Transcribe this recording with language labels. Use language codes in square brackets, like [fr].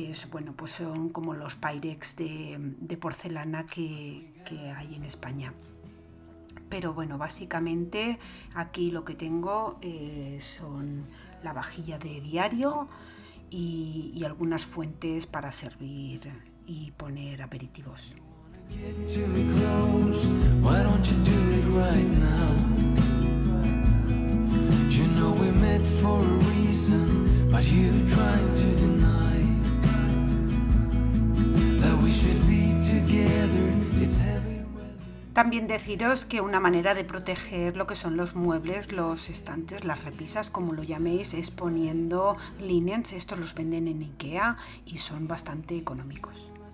[es] Bueno, pues son como los Pyrex de porcelana que hay en España. Pero bueno, básicamente aquí lo que tengo son la vajilla de diario y algunas fuentes para servir y poner aperitivos. [en] Get to me close, why don't you do it right now? You know we met for a reason, but you're trying to deny that we should be together. It's heavy. [es] También deciros que una manera de proteger lo que son los muebles, los estantes, las repisas, como lo llaméis, es poniendo linens. Estos los venden en IKEA y son bastante económicos.